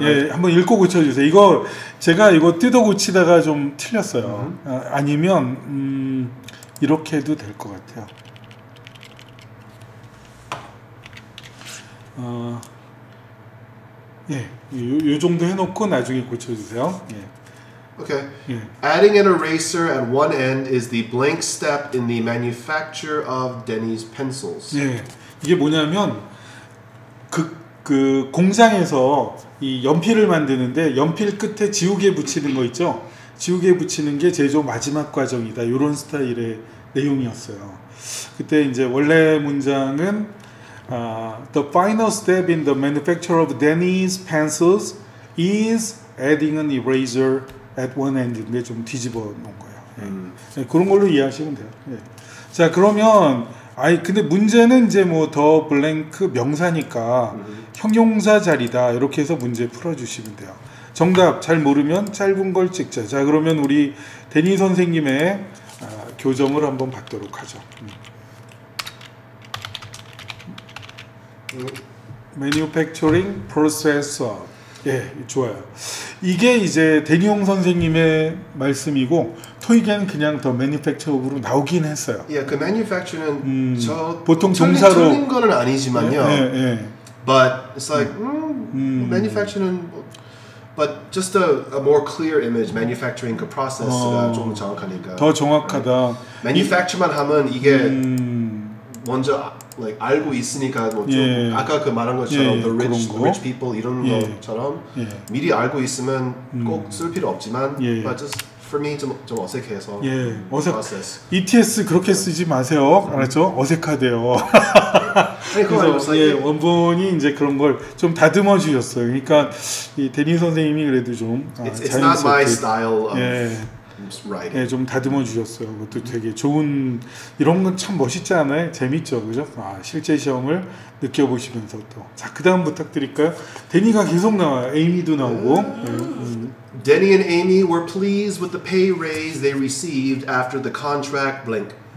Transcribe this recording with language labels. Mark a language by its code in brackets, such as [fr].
[ko] 예, 한번 읽고 고쳐주세요. 이거 제가 이거 뜯어 고치다가 좀 틀렸어요. 아니면 이렇게 해도 될 것 같아요. 요 정도 해놓고 나중에 고쳐주세요. 예. [en] Okay. Yeah. Adding an eraser at one end is the blank step in the manufacture of Denny's pencils. [ko] 예. 이게 뭐냐면 그 공장에서 이 연필을 만드는데 연필 끝에 지우개 붙이는 거 있죠? 지우개 붙이는 게 제조 마지막 과정이다. 이런 스타일의 내용이었어요. 그때 이제 원래 문장은 [en] the final step in the manufacture of Denny's pencils is adding an eraser. At one end [ko] 인데 좀 뒤집어 놓은 거예요. 네. 네, 그런 걸로 이해하시면 돼요. 네. 자 그러면 아니 근데 문제는 이제 뭐 더 블랭크 명사니까 형용사 자리다 이렇게 해서 문제 풀어주시면 돼요. 정답 잘 모르면 짧은 걸 찍자. 자 그러면 우리 데니 선생님의 교정을 한번 받도록 하죠. 매뉴팩처링 프로세서. 예, 좋아요. 이게 이제 대니용 선생님의 말씀이고 토익엔 그냥 더 매뉴팩처업으로 나오긴 했어요. 예, 그 매뉴팩처는 저 보통 동사로 틀린 거는 아니지만요. 예, 예. [en] But it's like manufacturing but just a more clear image manufacturing [ko] 그 process가 좀 정확하니까. 더 정확하다. Right. Manufacture만 하면 이게 먼저 like 알고 있으니까 뭐 좀 예. 아까 그 말한 것처럼 예. [en] the rich people [ko] 이런 예. 것처럼 예. 미리 알고 있으면 꼭 쓸 필요 없지만 예. [en] but just for me [ko] 좀 어색해서 예. process. ETS 그렇게 쓰지 마세요. 알았죠? 어색하대요. 그래서 예, 원본이 이제 그런 걸 좀 다듬어 주셨어요. 그러니까 이 데니 선생님이 그래도 좀 자연스럽게 [en] it's not my style of 예. writing. [ko] 예, 좀 다듬어 주셨어요. 그것도 되게 좋은 이런 건 참 멋있지 않아요? 재밌죠, 그죠? 아, 실제 시험을 느껴보시면서 또 자 그다음 부탁드릴까요? 데니가 계속 나와. 에이미도 나오고. [en] Denny and Amy were pleased with the pay raise they received after the contract blink.